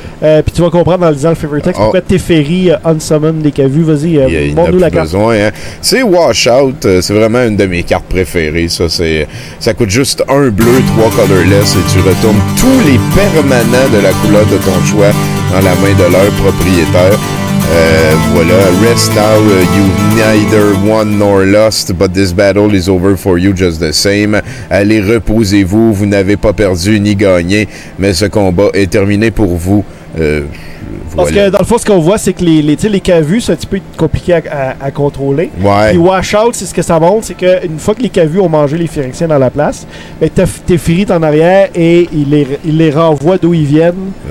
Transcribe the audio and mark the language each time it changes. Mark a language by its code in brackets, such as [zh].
[fr] Puis, tu vas comprendre dans disant le favorite text, pourquoi Teferi unsummon des cavus, vas-y, montre-nous la carte. Besoin, hein? C'est Washout, c'est vraiment une de mes cartes préférées, ça. Ça coûte juste un bleu, trois colorless, et tu retournes tous les permanents de la couleur de ton choix dans la main de leur propriétaire. [en] Voilà, rest now, you've neither won nor lost, but this battle is over for you just the same. [fr] Allez, reposez-vous, vous n'avez pas perdu ni gagné, mais ce combat est terminé pour vous. Parce que dans le fond, ce qu'on voit, c'est que les cavus, c'est un petit peu compliqué à contrôler. Ouais. Puis Washout, c'est ce que ça montre, c'est qu'une fois que les cavus ont mangé les Phyrexiens dans la place, ben Teferi est en arrière et il les renvoie d'où ils viennent.